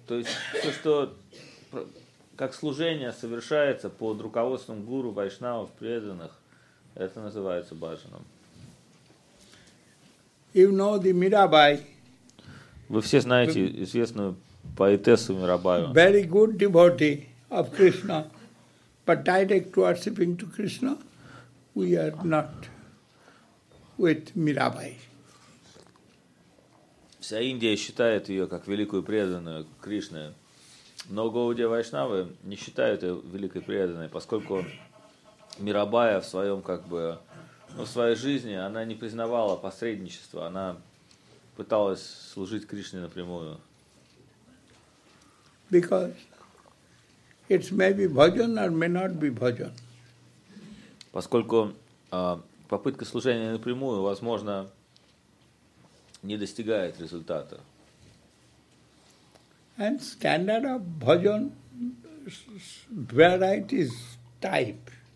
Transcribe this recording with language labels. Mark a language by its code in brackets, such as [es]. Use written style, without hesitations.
[ru] То есть то, что как служение совершается под руководством гуру, вайшнавов, преданных, это называется бхаджаном. [en] You know the Mirabai. [ru] Вы все знаете известную поэтессу Мирабаю. [en] Very good devotee of Krishna. But direct worshipping to Krishna, we are not with Mirabai. [ru] Вся Индия считает ее как великую преданную Кришне. Но Гаудия Вайшнавы не считают ее великой преданной, поскольку Мирабая в своем как бы, ну, в своей жизни она не признавала посредничество, она пыталась служить Кришне напрямую. [en] Because it's maybe bhajan or may not be bhajan. [ru] Поскольку попытка служения напрямую, возможно, не достигает результата. [en] And standard of bhajan varieties type.